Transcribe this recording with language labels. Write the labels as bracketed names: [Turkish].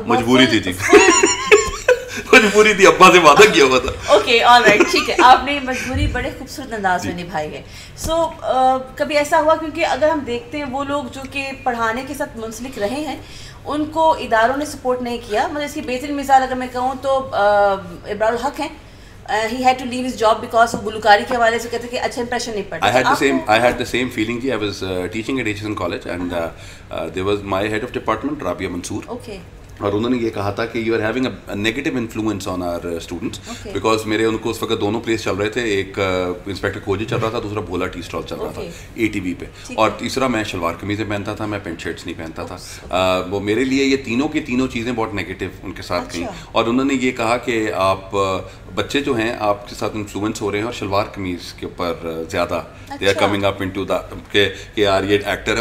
[Urdu] مجبوری تھی جی, مجبوری تھی, ابا سے وعدہ کیا ہوا تھا. [English] okay all right, [Urdu] ٹھیک ہے. آپ نے مجبوری بڑے خوبصورت انداز میں نبھائی ہے. سو کبھی ایسا ہوا, کیونکہ اگر ہم دیکھتے ہیں وہ لوگ جو کہ پڑھانے کے ساتھ منسلک رہے ہیں ان کو اداروں نے سپورٹ نہیں کیا. مطلب اس کی بہترین مثال اگر میں کہوں تو ابرار الحق ہیں, [English] he had to leave his job because of [Urdu] gulukari ke wale se kehte ki acha impression nahi padta. [English] I had the same feeling ji. I was teaching at HSN college and there was my head of department Rabia Mansoor. Okay. [Urdu] اور انہوں نے یہ کہا تھا کہ [English] you are having a negative influence on our students, [Urdu] because میرے ان کو اس وقت دونوں پلیس چل رہے تھے, ایک انسپیکٹر کھوجی چل رہا تھا, دوسرا بھولا ٹی اسٹال چل رہا تھا اے ٹی وی پہ, اور تیسرا میں شلوار قمیضیں پہنتا تھا, میں پینٹ شرٹس نہیں پہنتا تھا. وہ میرے لیے یہ تینوں کی تینوں چیزیں بہت نیگیٹو ان کے ساتھ تھیں. اور انہوں نے یہ کہا کہ آپ بچے جو ہیں آپ کے ساتھ انفلوئنس ہو رہے ہیں اور شلوار قمیض کے اوپر زیادہ [English] they are coming up into the [Urdu] کہ یار یہ ایکٹر ہے.